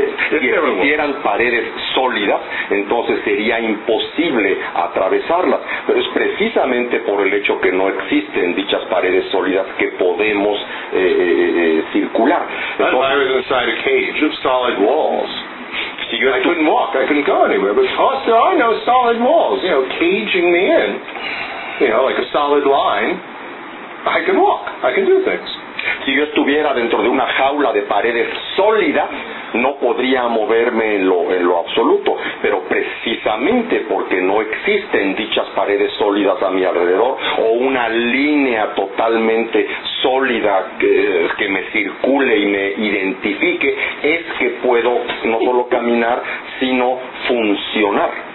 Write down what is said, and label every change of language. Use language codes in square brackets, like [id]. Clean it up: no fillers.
[es] si existieran paredes sólidas, entonces sería imposible atravesarlas. Pero es precisamente por el hecho que no existen dichas paredes sólidas que podemos circular. [en] Entonces, if I was inside a cage of solid walls, [es] yo estoy, [en] I couldn't walk, I couldn't go anywhere, but also I know solid walls, you know, caging me in, you know, like a solid line, I can walk, I can do things. [es] Si yo estuviera dentro de una jaula de paredes sólidas, no podría moverme en lo absoluto. Pero precisamente porque no existen dichas paredes sólidas a mi alrededor o una línea totalmente sólida que me circule y me identifique, es que puedo no solo caminar, sino funcionar.